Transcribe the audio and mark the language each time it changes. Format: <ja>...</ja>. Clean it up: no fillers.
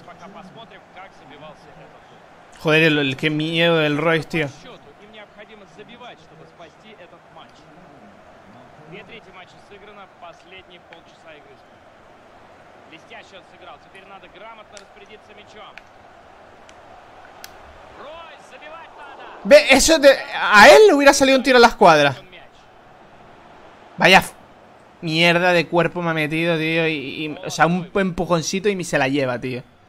<ru>Пока посмотрим, как забивался этот гол.</ru> <es>Joder, el que miedo del Royce, tío.</es> <ru>Забивать, чтобы спасти этот матч. Две трети матча сыграно, последние полчаса игры. Блестяще сыграл. Теперь надо грамотно распорядиться мячом. Ройс, забивать надо.</ru> <es>Ve, eso de, a él le hubiera salido un tiro a la escuadra. Vaya mierda de cuerpo me ha metido, tío, y o sea, un empujoncito y se la lleva, tío.</es>